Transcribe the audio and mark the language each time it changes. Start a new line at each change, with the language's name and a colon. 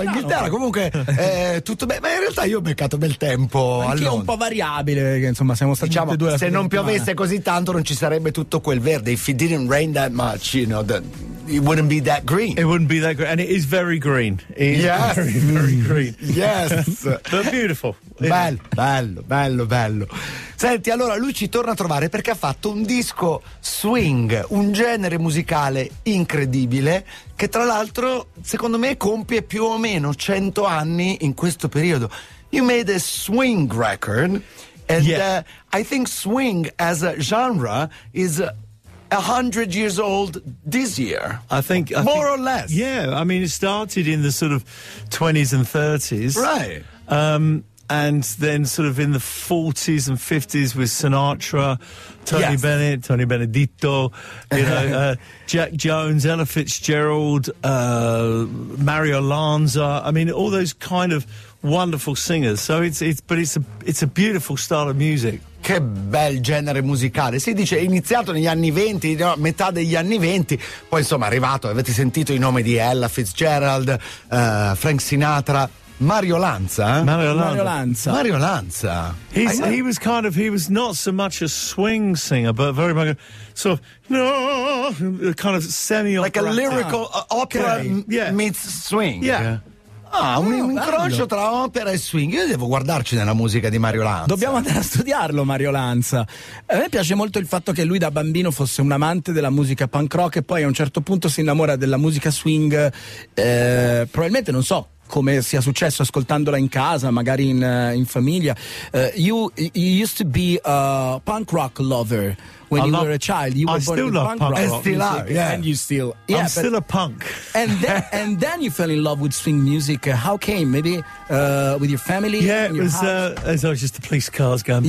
Italian: In Inghilterra comunque tutto bene, ma in realtà io ho beccato bel tempo. Anche un po' variabile, perché insomma siamo stati, diciamo, due. Se non piovesse così tanto non ci sarebbe tutto quel verde.
English: If it didn't rain that much, you know, then it wouldn't be that green. It wouldn't be that green, and it is very green. Yes. But beautiful.
Italian: Bello. Senti, allora lui ci torna a trovare perché ha fatto un disco swing, un genere musicale incredibile, che tra l'altro secondo me compie più o meno 100 anni in questo periodo.
English: You made a swing record, and yeah. I think swing as a genre is 100 years old this year. I think, more or less. Yeah, I mean, it started in the sort of 20s and 30s. Right. And then sort of in the 40s and 50s with Sinatra, Tony yes. Bennett, Tony Benedetto, you know, Jack Jones, Ella Fitzgerald, Mario Lanza. I mean, all those kind of wonderful singers. So it's a beautiful style of music.
Italian: Che bel genere musicale. Si dice iniziato negli anni 20, no, metà degli anni 20, poi insomma arrivato, avete sentito i nomi di Ella Fitzgerald, Frank Sinatra. Mario Lanza. He was not so much a swing singer, but very much sort of kind of semi opera, like a lyrical opera meets swing. Yeah. Ah, un incrocio tra opera e swing. Io devo guardarci nella musica di Mario Lanza. Dobbiamo andare a studiarlo, Mario Lanza. A me piace molto il fatto che lui da bambino fosse un amante della musica punk rock e poi a un certo punto si innamora della musica swing. Probabilmente non so come sia successo ascoltandola in casa, magari in famiglia.
English: You used to be a punk rock lover when you were a child. You were still born in punk rock. I still love music, yeah. And you still, yeah, I'm still a punk. and then you fell in love with swing music. How came? Maybe with your family? Yeah, it was just the police cars going by.